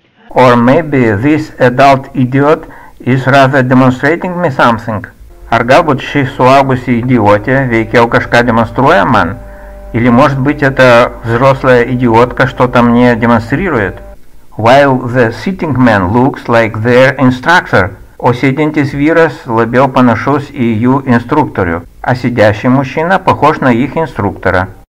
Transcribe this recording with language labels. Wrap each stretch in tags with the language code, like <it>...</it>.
<en>Or maybe this adult idiot is rather demonstrating me something.</en> <lt>Ar galbūt ši suaugusi idiotė veikiau kažką demonstruoja man?</lt> <ru>Или может быть эта взрослая идиотка что-то мне демонстрирует?</ru> <en>While the sitting man looks like their instructor.</en> <lt>O sėdintis vyras labiau panašus į jų instruktorių.</lt> <ru>А сидящий мужчина похож на их инструктора.</ru>